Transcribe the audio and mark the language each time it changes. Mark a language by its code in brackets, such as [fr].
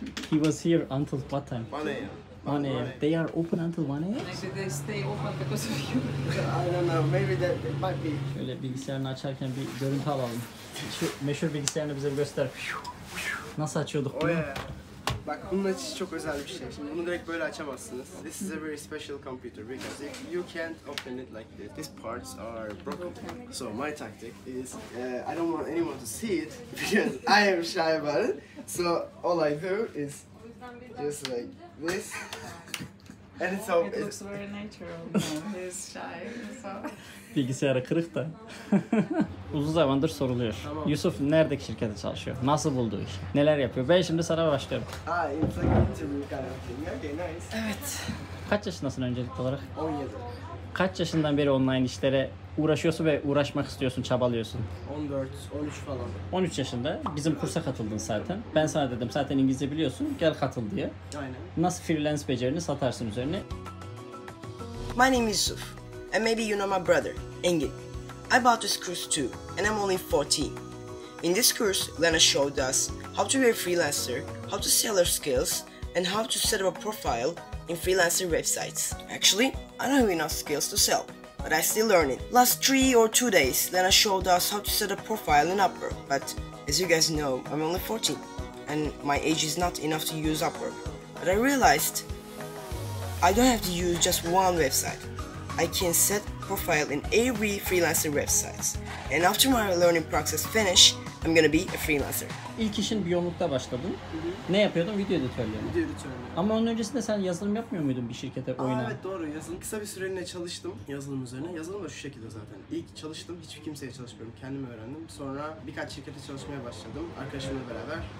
[en] He was here until what time? 1 a.m. 1 a.m. They are open until 1 a.m. Maybe they stay open because of you. I don't know. Maybe that might be. [tr] Şöyle bilgisayarını açarken bir görüntü alalım. Şu meşhur bilgisayarını bize göster. Nasıl açıyorduk bunu? Oh, bak bunun açısı çok özel bir şey. Şimdi bunu direkt böyle açamazsınız. [en] This is a very special computer because if you can't open it like this, these parts are broken. So my tactic is I don't want anyone to see it because I am shy about it. So all I do is just like this. And it's all. It looks very natural. He's shy. So. [tr] Bilgisayarı kırık da. Uzun zamandır soruluyor. Tamam. Yusuf neredeki şirkette çalışıyor? Nasıl buldu iş? Neler yapıyor? Ben şimdi sana başlıyorum. [en] Ah, it's a good job. Okay, nice. [tr] Evet. Kaç yaşındasın öncelikli olarak? 17. Kaç yaşından beri online işlere uğraşıyorsun ve uğraşmak istiyorsun, çabalıyorsun? 14, 13 falan. 13 yaşında. Bizim kursa katıldın zaten. Ben sana dedim zaten İngilizce biliyorsun, gel katıl diye. Aynen. Nasıl freelance becerini satarsın üzerine? [en] My name is Yusuf. And maybe you know my brother, Engin. I bought this course too, and I'm only 14. In this course, Lena showed us how to be a freelancer, how to sell our skills, and how to set up a profile in freelancing websites. Actually, I don't have enough skills to sell, but I still learn it. Last 3 or 2 days, Lena showed us how to set up a profile in Upwork, but as you guys know, I'm only 14, and my age is not enough to use Upwork. But I realized I don't have to use just one website. I can set profile in every freelancer websites. And after my learning process finish, I'm gonna be a freelancer. [tr] İlk işin Beyond'da başladın. Ne yapıyordun? Video editörlüğü. Video editörlüğü. Ama onun öncesinde sen yazılım yapmıyor muydun bir şirkete, oyuna? Evet doğru. Yazılım kısa bir süreliğine çalıştım yazılım üzerine. Yazılım da şu şekilde zaten. İlk çalıştım, hiçbir kimseye çalışmıyorum. Kendim öğrendim. Sonra birkaç şirkete çalışmaya başladım arkadaşımla beraber.